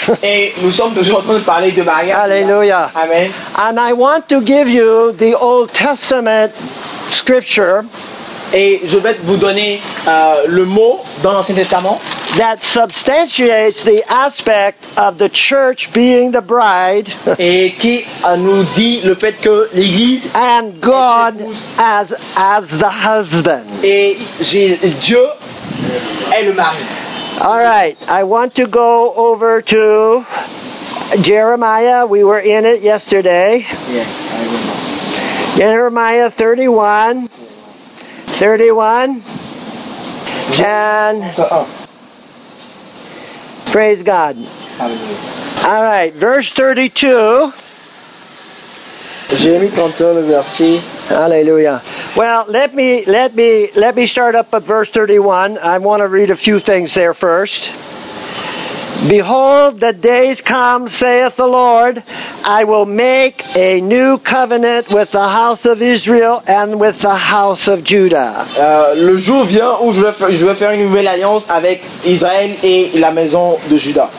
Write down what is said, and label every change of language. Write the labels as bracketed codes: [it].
[fr] Et nous sommes toujours en train de parler de mariage. [en] Hallelujah. Amen. And I want to give you the Old Testament scripture. [fr] Et je vais vous donner le mot dans l'Ancien Testament. [en] That substantiates the aspect of the church being the bride. [fr] Et qui nous dit le fait que l'Église. [en] And God as the husband. [fr] Et Dieu est le mari. [en] All right, I want to go over to Jeremiah. We were in it yesterday. Yes, I remember. Jeremiah 31. 31 and praise God. All right, verse 32. [fr] Jérémie 31, le verset. [en] Hallelujah. Well, let me start up at verse 31. I want to read a few things there first. Behold, the days come, saith the Lord, I will make a new covenant with the house of Israel and with the house of Judah. [fr] Le jour vient où je vais faire une nouvelle alliance avec Israël et la maison de Juda.